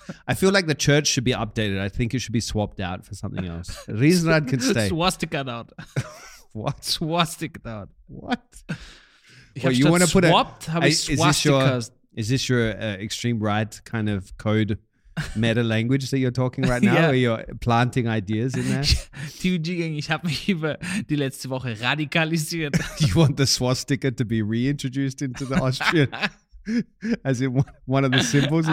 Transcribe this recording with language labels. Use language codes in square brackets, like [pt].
[en] I feel like the church should be updated. I think it should be swapped out for something else. Riesenrad can stay. Swastika out. What? Swastika out. What? Well, you want to put swapped, a, I, is this your extreme right kind of code meta language that you're talking right now? Yeah. Or you're planting ideas in there? [de] TUG Gang, ich habe mich über die letzte Woche radikalisiert. [en] Do you want the swastika to be reintroduced into the Austrian as in one of the symbols